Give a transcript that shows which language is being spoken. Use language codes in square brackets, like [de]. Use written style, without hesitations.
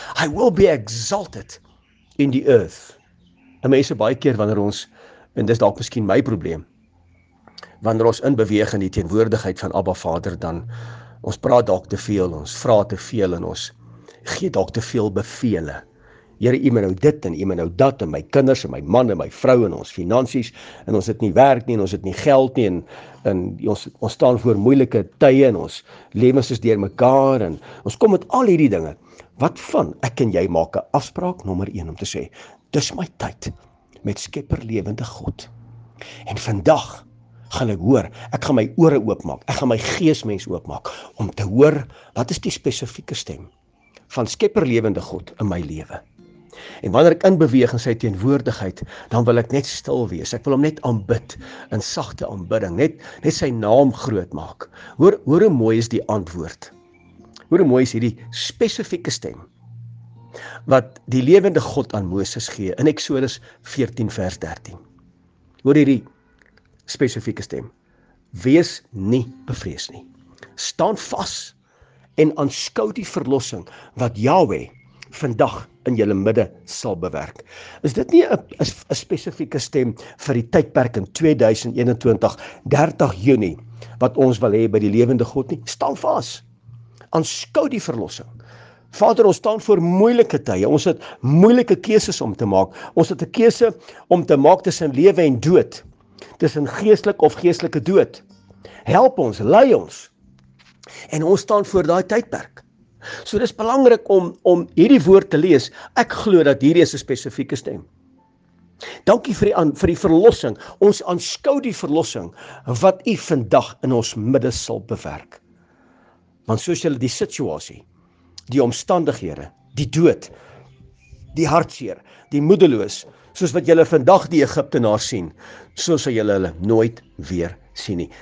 [en] I will be exalted in the earth. [af] En mense, baie keer wanneer ons, en dis dalk miskien my probleem, wanneer ons inbeweeg in die teenwoordigheid van Abba Vader, dan ons praat dalk te veel, ons vra te veel en ons gee dalk te veel bevele. Here, U moet nou dit en U moet nou dat en my kinders en my man en my vrou en ons finansies en ons het nie werk nie en ons het nie geld nie en ons staan voor moeilike tye en ons lewens is deur mekaar en ons kom met al hierdie dinge. Wat van ek en jy maak 'n afspraak nommer 1 om te sê, dis my tyd met Skepper lewende God. En vandag gaan ek hoor, ek gaan my ore oopmaak, ek gaan my geesmens oopmaak om te hoor wat is die spesifieke stem van Skepper lewende God in my lewe. En wanneer ek inbeweeg in sy teenwoordigheid, dan wil ek net stil wees. Ek wil hom net aanbid in sagte aanbidding, net sy naam groot maak. Hoor hoe mooi is die antwoord. Hoor hoe mooi is hierdie spesifieke stem wat die lewende God aan Moses gee in Exodus 14 vers 13. Hoor hierdie spesifieke stem. Wees nie bevrees nie. Staan vas en aanskou die verlossing wat Yahweh vandag in julle midde sal bewerk. Is dit nie 'n spesifieke stem vir die tydperk in 2021, 30 Junie, wat ons wil hê by die lewende God nie? Staan vas. Aanskou die verlossing. Vader, ons staan voor moeilike tye. Ons het moeilike keuses om te maak. Ons het 'n keuse om te maak tussen lewe en dood. Tussen geestelik of geestelike dood. Help ons, lei ons. En ons staan voor daai tydperk. So dis belangrik om hierdie woord te lees. Ek glo dat hierdie is 'n spesifieke stem. Dankie vir die verlossing. Ons aanskou die verlossing wat U vandag in ons midde sal bewerk. Want soos julle die situasie, die omstandighede, die dood, die hartseer, die moedeloos, soos wat julle vandag die Egiptenaars sien, so sal julle hulle nooit weer sien nie.